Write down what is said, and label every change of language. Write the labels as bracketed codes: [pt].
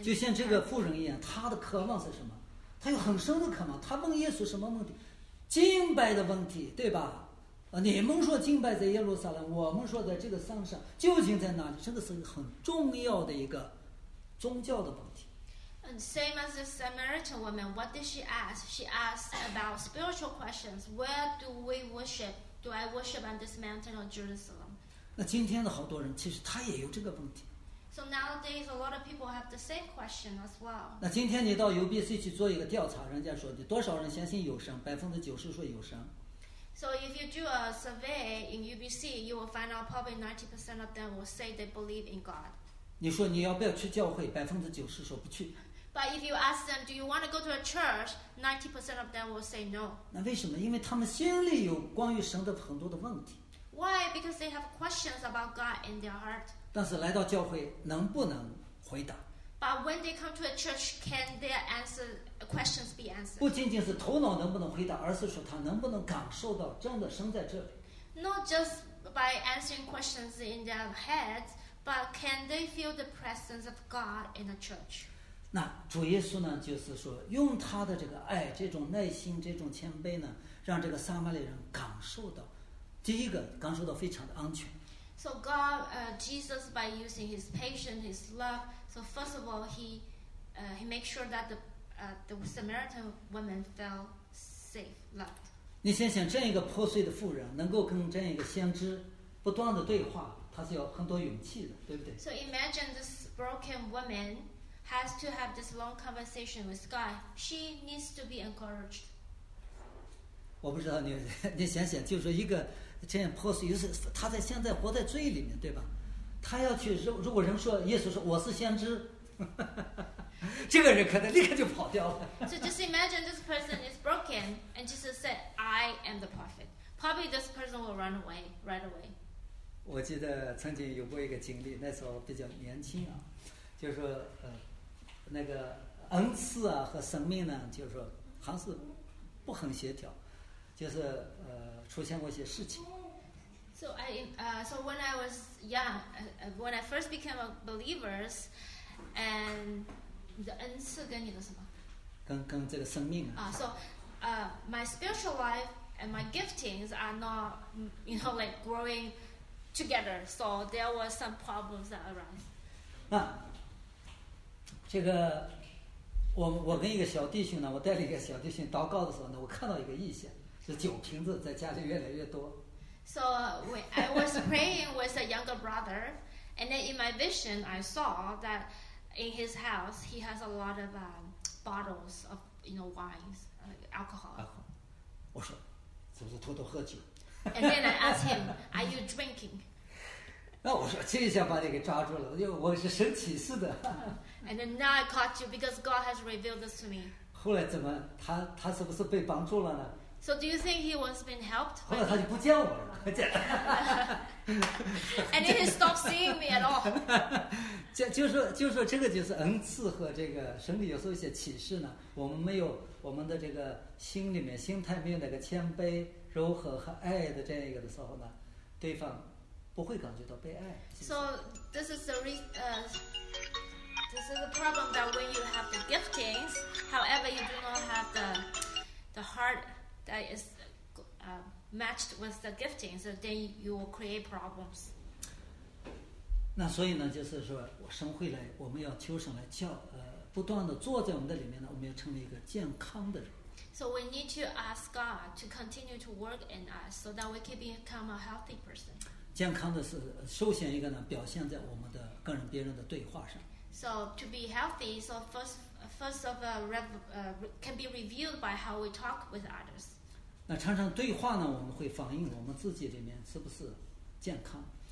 [zh] 就像这个妇人一样，他的渴望是什么？他有很深的渴望。他问耶稣什么问题？敬拜的问题，对吧？你们说敬拜在耶路撒冷，我们说在这个山上，究竟在哪里？这个是很重要的一个宗教的问题。 [en] And same as the Samaritan woman, what did she ask? She asked about spiritual questions. Where do we worship? Do I worship on this mountain or Jerusalem? [zh] 那今天的好多人其实他也有这个问题。 [en] So nowadays, a lot of people have the same question as well. [zh] 那今天你到 UBC 去做一个调查，人家说你多少人相信有神？ 90%说有神。 [en] So if you do a survey in UBC, you will find out probably 90% of them will say they believe in God. [zh] 你说你要不要去教会？90%说不去。 [en] But if you ask them, do you want to go to a church? 90% of them will say no. [zh] 那为什么？因为他们心里有关于神的很多的问题。 [en] Why? Because they have questions about God in their heart. [zh] 但是来到教会能不能回答 [en] ？But when they come to a church, can their answer questions be answered? [zh] 不仅仅是头脑能不能回答，而是说他能不能感受到真的神在这里。 [en] Not just by answering questions in their heads. But can they feel the presence of God in the church? [zh] 那主耶稣呢，就是说用他的这个爱，这种耐心，这种谦卑呢，让这个撒玛利人感受到，第一个感受到非常的安全。 [en] So God, Jesus, by using his patience, his love, so first of all, he makes sure that the Samaritan woman felt safe, loved. [zh] 你先想这样一个破碎的妇人，能够跟这样一个先知不断的对话。他是有很多勇气的，对不对 [en] ？So imagine this broken woman has to have this long conversation with God. She needs to be encouraged. [zh] 我不知道你想想，就是一个这样破碎，就是他在现在活在罪里面，对吧？他要去，如果人说耶稣说我是先知，这个人可能立刻就跑掉了。 [en] So just imagine this person is broken, and Jesus said, "I am the prophet." Probably this person will run away right away. [zh] 我记得曾经有过一个经历，那时候比较年轻啊，就是说，那个恩赐啊和生命呢，就是说还是不很协调。就是出现过一些事情。 [en] So I so when I was young, when I first became a believers, and [zh] 你的恩赐跟你的什么？跟这个生命啊。 [en] So, my spiritual life and my giftings are not, you know, like growing together. So there were some problems that arise. [zh] 那这个我跟一个小弟兄呢，我带领一个小弟兄祷告的时候呢，我看到一个异象。就酒瓶子在家里越来越多。 [en] So I was praying with a younger brother, and then in my vision I saw that in his house he has a lot of bottles of, you know, wines, alcohol. [zh] 我说，是不是偷偷喝酒 [en] ？And then I asked him, "Are you drinking?" [zh] 那我说，这一下把你给抓住了，因为我是神启示的。 [en] And then now I caught you because God has revealed this to me. [zh] 后来怎么他是不是被帮助了呢？ [en] So do you think he was been helped? [zh] 后来他就不见我了。 [en] And he stopped seeing me at all. [zh] 就说这个就是恩赐和这个神里有时候一些启示呢，我们没有我们的这个心里面心态没有那个谦卑、柔和和爱的这样一个的时候呢，对方不会感觉到被爱。 [en] So this is the this is the problem that when you have the giftings, however you do not have the heart. That is matched with the gifting, so then you will create problems. [zh] 那所以呢，就是说，我神会来，我们要求神来叫，不断的坐在我们的里面呢，我们要成为一个健康的人。 [en] So we need to ask God to continue to work in us, so that we can become a healthy person. [zh] 健康的是首先一个呢，表现在我们的跟人别人的对话上。 [en] So to be healthy, so first of all, can be revealed by how we talk with others. [zh] 那常常对话呢，我们会反映我们自己里面是不是健康。